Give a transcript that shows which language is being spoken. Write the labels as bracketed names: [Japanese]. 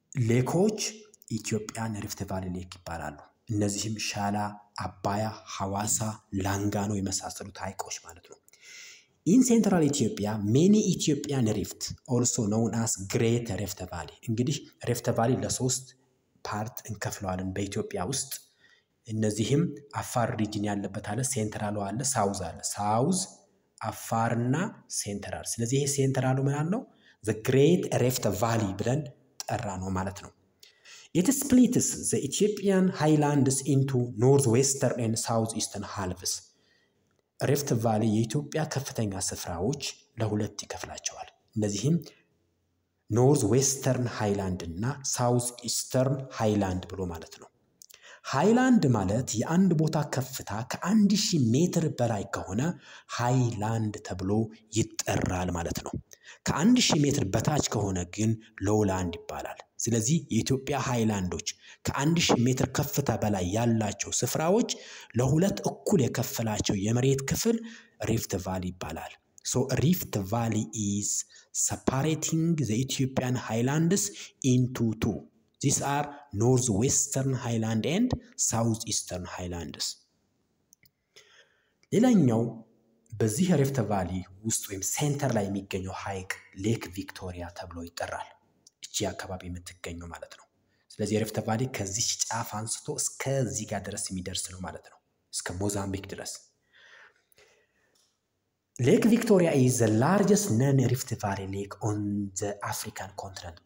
[Amharic] ሌኮች ኢትዮጵያን Rift Valley Lake ይባላሉ። እነዚህም ሻላ፣ አባያ፣ ሐዋሳ፣ ላንጋኖ የመሳሰሉት ሐይቆች ማለት ነው። [English] In Central Ethiopia, many Ethiopian rifts also known as Great Rift Valley. [Amharic] እንግዲህ Rift Valley ለሶስት ፓርት እንከፍለዋለን በኢትዮጵያ ውስጥ። እነዚህም አፋር ሪጅን ያለበት አለ፣ ሴንትራል አለ፣ ሳውዝ አለ። ሳውዝ፣ አፋርና ሴንትራል። ስለዚህ ይሄ ሴንትራሉ ምን አለው? [English] The Great Rift Valley [Amharic] ብለን ጠራ ነው ማለት ነው። [English] It splits the Ethiopian highlands into northwestern and southeastern halves. [Amharic] Rift Valley የኢትዮጵያ ከፍተኛ ስፍራዎች ለሁለት ይከፍላቸዋል። እነዚህም northwestern highland እና southeastern highland ብሎ ማለት ነው። highland ማለት የአንድ ቦታ ከፍታ ከ1000 ሜትር በላይ ከሆነ highland ተብሎ ይጠራል ማለት ነው። ከ1000 ሜትር በታች ከሆነ ግን lowland ይባላል። ስለዚህ የኢትዮጵያ ሃይላንዶች ከ1000 ሜትር ከፍታ በላይ ያላቸው ስፍራዎች ለሁለት እኩል የከፈላቸው የመሬት ክፍል Rift Valley ይባላል። [English] So Rift Valley is separating the Ethiopian highlands into two. These are northwestern highland and southeastern highlands. [Amharic] ሌላኛው በዚህ Rift Valley ውስጥ ወይም ሴንተር ላይ የሚገኘው ሃይቅ ሌክ ቪክቶሪያ ተብሎ ይጠራል። እቺ አካባቢ የምትገኘው ማለት ነው። ስለዚህ Rift Valley ከዚህ ጫፍ አንስቶ እስከዚህ ጋር ድረስ የሚደርስ ነው ማለት ነው። እስከ ሞዛምቢክ ድረስ [English] Lake Victoria is the largest non-rift valley lake on the African continent.